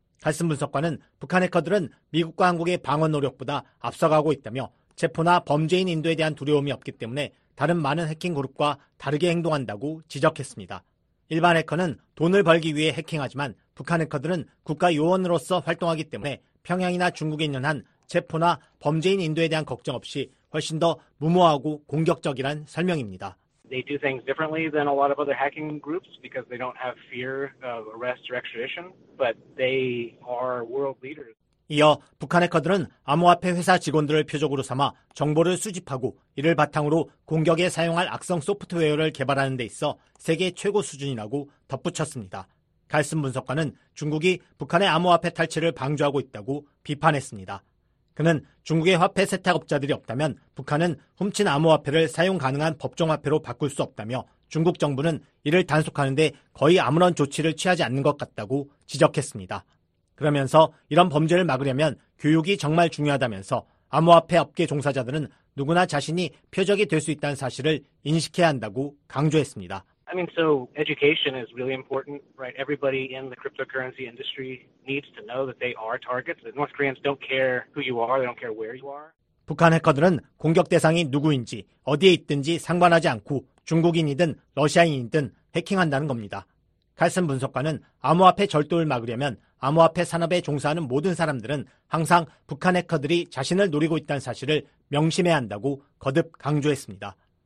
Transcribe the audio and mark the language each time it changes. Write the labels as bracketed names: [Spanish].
[Korean] 칼슨 분석관은 북한 해커들은 미국과 한국의 방어 노력보다 앞서가고 있다며 체포나 범죄인 인도에 대한 두려움이 없기 때문에 다른 많은 해킹 그룹과 다르게 행동한다고 지적했습니다. 일반 해커는 돈을 벌기 위해 해킹하지만 북한 해커들은 국가 요원으로서 활동하기 때문에 평양이나 중국에 연한 체포나 범죄인 인도에 대한 걱정 없이 훨씬 더 무모하고 공격적이란 설명입니다. [English] They do things differently than a lot of other hacking groups because they don't have fear of arrest or extradition, but they are world leaders. [Korean] 이어 북한 해커들은 암호화폐 회사 직원들을 표적으로 삼아 정보를 수집하고 이를 바탕으로 공격에 사용할 악성 소프트웨어를 개발하는 데 있어 세계 최고 수준이라고 덧붙였습니다. 갈슨 분석관은 중국이 북한의 암호화폐 탈취를 방조하고 있다고 비판했습니다. 그는 중국의 화폐 세탁업자들이 없다면 북한은 훔친 암호화폐를 사용 가능한 법정화폐로 바꿀 수 없다며 중국 정부는 이를 단속하는 데 거의 아무런 조치를 취하지 않는 것 같다고 지적했습니다. 그러면서 이런 범죄를 막으려면 교육이 정말 중요하다면서 암호화폐 업계 종사자들은 누구나 자신이 표적이 될 수 있다는 사실을 인식해야 한다고 강조했습니다. [English] I mean, so education is really important, right? Everybody in the cryptocurrency industry needs to know that they are targets. The North Koreans don't care who you are, they don't care where you are. [Korean] 북한 해커들은 공격 대상이 누구인지, 어디에 있든지 상관하지 않고 중국인이든 러시아인이든 해킹한다는 겁니다. 칼슨 분석관은 암호화폐 절도를 막으려면 암호화폐 산업에 종사하는 모든 사람들은 항상 북한 해커들이 자신을 노리고 있다는 사실을 명심해야 한다고 거듭 강조했습니다.